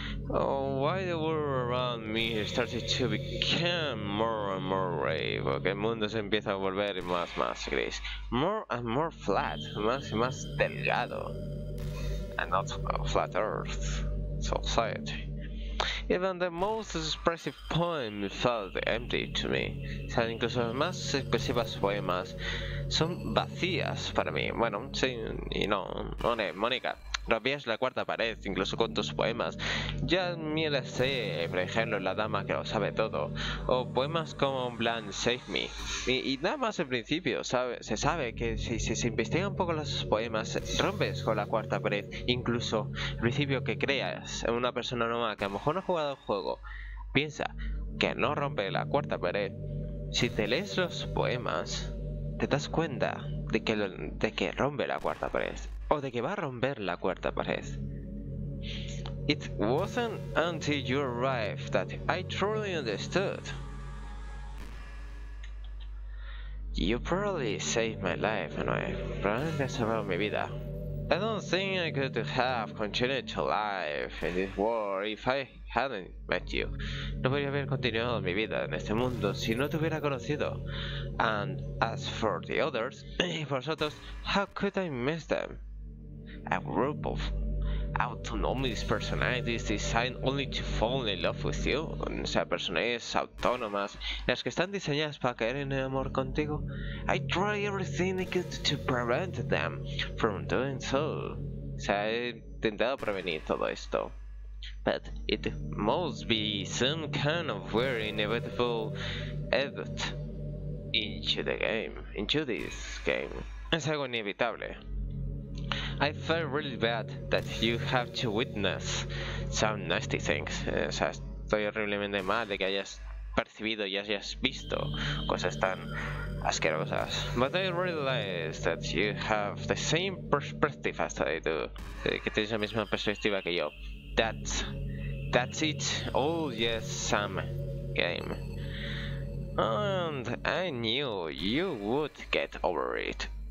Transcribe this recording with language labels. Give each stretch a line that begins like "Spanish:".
English: Oh, why the world around me started to become more and more gray,
Spanish: porque el mundo se empieza a volver más y más gris.
English: More and more flat,
Spanish: más y más delgado.
English: And not a flat earth society. Even the most expressive poem felt empty to me.
Spanish: O sea, incluso las más expresivas poemas son vacías para mí. Bueno, sí y no. Oye, Monika, rompías la cuarta pared incluso con tus poemas. Ya me las sé, por ejemplo, La dama que lo sabe todo. O poemas como Blanc Save Me. Y nada más al principio, ¿sabe? Se sabe que si se investiga un poco los poemas, rompes con la cuarta pared. Incluso al principio que creas en una persona nueva que a lo mejor no ha jugado el juego, piensa que no rompe la cuarta pared. Si te lees los poemas, te das cuenta de que rompe la cuarta pared. O de que va a romper la cuarta pared.
English: It wasn't until you arrived that I truly understood. You probably saved my life, Manuel.
Spanish: Probablemente has salvado mi vida.
English: I don't think I could have continued to live in this world if I hadn't met you.
Spanish: No podría haber continuado mi vida en este mundo si no te hubiera conocido.
English: And as for the others,
Spanish: vosotros,
English: how could I miss them? A group of autonomous personalities designed only to fall in love with you.
Spanish: O sea, personalidades autónomas, las que están diseñadas para caer en el amor contigo.
English: I try everything I could to prevent them from doing so.
Spanish: O sea, he intentado prevenir todo esto.
English: But it must be some kind of very inevitable effort into the game, into this game.
Spanish: Es algo inevitable.
English: I feel really bad that you have to witness some nasty things.
Spanish: O sea, estoy horriblemente mal de que hayas percibido y hayas visto cosas tan asquerosas.
English: But I realize that you have the same perspective as I do.
Spanish: Que tienes la misma perspectiva que yo.
English: That's it. Oh yes, some game. And I knew you would get over it.